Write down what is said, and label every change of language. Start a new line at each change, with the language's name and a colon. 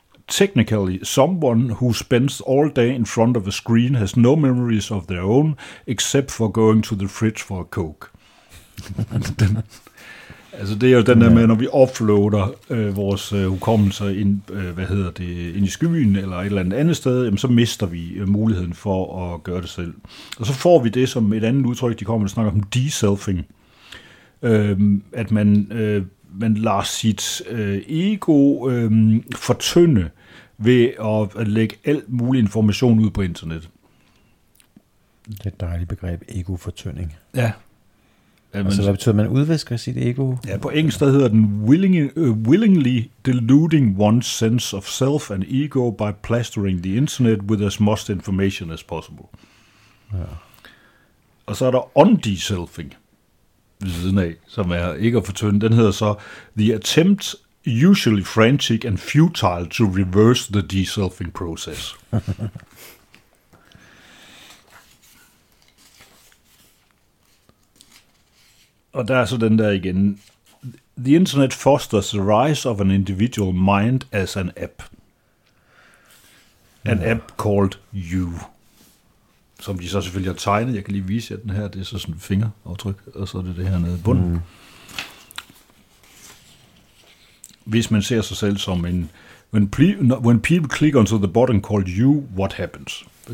English: Technically, someone who spends all day in front of a screen has no memories of their own, except for going to the fridge for a Coke.
Danish: Altså det er jo den der med, når vi offloader vores hukommelser ind i skyen eller et eller andet sted, jamen, så mister vi muligheden for at gøre det selv. Og så får vi det som et andet udtryk, de kommer og snakker om de-selfing. At man lader sit ego fortynde ved at lægge alt mulig information ud på internet. Det er et dejligt begreb, ego-fortynding. Ja. Jamen, altså, hvad betyder man udvisker sit ego? Ja, på engelsk der hedder den
English: willingly deluding one's sense of self and ego by plastering the internet with as much information as possible.
Danish: Ja. Og så er der undeselfing ved siden af, som er ikke at fortynde. Den hedder så
English: the attempt usually frantic and futile to reverse the deselfing process.
Danish: Og der er så den der igen.
English: The internet fosters the rise of an individual mind as an app. An app called you.
Danish: Som de så selvfølgelig har tegnet. Jeg kan lige vise jer den her. Det er så sådan et fingeraftryk, og så er det det her nede i bunden. Mm. Hvis man ser sig selv som en...
English: When people click onto the button called you, what happens?